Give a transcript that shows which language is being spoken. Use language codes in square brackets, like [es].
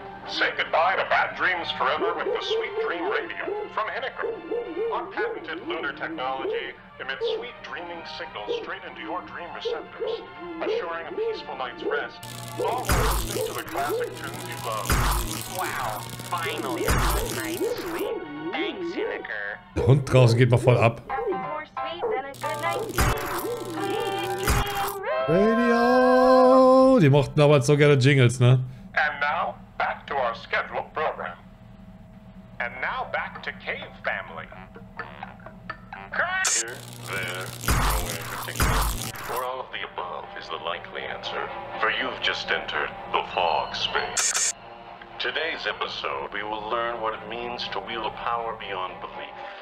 [en] Say goodbye to bad dreams forever with the Sweet Dream Radio from Henniker. Our patented lunar technology emits sweet dreaming signals straight into your dream receptors, assuring a peaceful night's rest, all listening to the classic tunes you love. Wow, finally a good night's sleep. Thanks, Henniker. [de] Der Hund draußen geht mal voll ab. Radio! Die mochten damals so gerne Jingles, ne? [en] And now, back to our scheduled program. And now back to Cave Family. Here, there, nowhere in particular, or all of the above is the likely answer. For you've just entered the fog space. Today's episode, we will learn what it means to wield a power beyond belief.